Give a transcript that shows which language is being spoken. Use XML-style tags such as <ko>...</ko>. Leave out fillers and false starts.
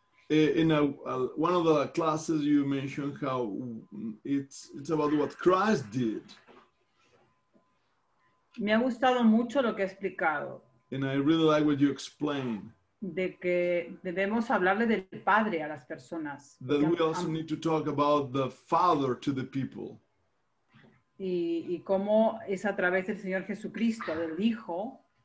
<en>In one of the classes you mentioned how it's about what Christ did.</en> <es>Me ha gustado mucho lo que ha explicado.</es> <en>And I really like what you explained.</en> <es>De que debemos hablarle del Padre a las personas.</es> <en>That we also need to talk about the Father to the people.</en> <es>Y cómo es a través del Señor Jesucristo, del Hijo.</es>